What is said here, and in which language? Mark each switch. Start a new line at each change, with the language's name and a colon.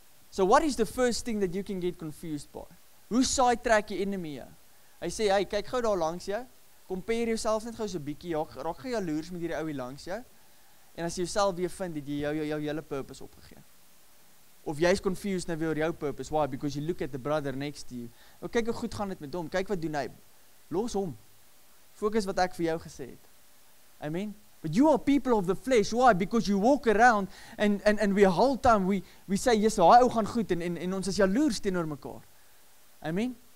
English: So what is the first thing that you can get confused by?
Afrikaans: Hoe sidetrack your enemy jou? Hy sê, hey, kyk gou daar langs jou, compare jouself net gou so bietjie, raak gou jaloers met hierdie ouie langs jou, en as jy jouself weer vind, het jy jou hele purpose opgegee. Of jy is confused nou oor jou purpose, why?
English: Because you look at the brother next to you.
Afrikaans: Nou kyk hoe goed gaan dit met hom, kyk wat doen hy, los hom, focus wat ek vir jou gesê het. Amen?
English: But you are people of the flesh, why? Because you walk around, and we whole time, we say, yes,
Afrikaans: hy ou gaan goed, en ons is jaloers teenoor mekaar.
English: Amen?